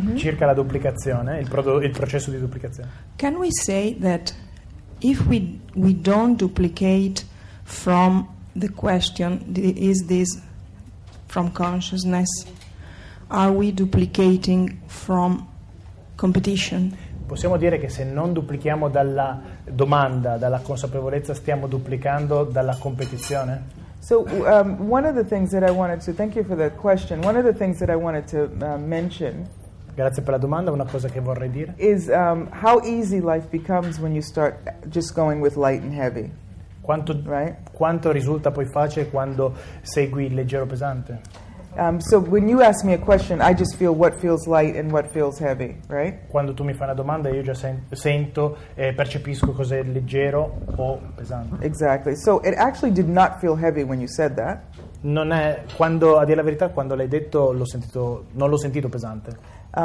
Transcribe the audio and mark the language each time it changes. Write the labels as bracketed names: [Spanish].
[Italian] Circa la duplicazione, il processo di duplicazione. [English] Can we say that if we don't duplicate from the question, is this from consciousness, are we duplicating from competition? [Italian] Possiamo dire che se non duplichiamo dalla domanda, dalla consapevolezza, stiamo duplicando dalla competizione? [English] So one of the things that I wanted to thank you for the question. One of the things that I wanted to mention. [Italian] Grazie per la domanda. Una cosa che vorrei dire [English] is how easy life becomes when you start just going with light and heavy. [Italian] Quanto, [English] right? [Italian] Quanto risulta poi facile quando segui il leggero pesante? [English] So when you ask me a question, I just feel what feels light and what feels heavy, right? [Italian] Quando tu mi fai una domanda, io già sento e percepisco cos'è leggero o pesante. [English] Exactly. So it actually did not feel heavy when you said that. [Italian] Non è quando, a dire la verità, quando l'hai detto, non l'ho sentito pesante.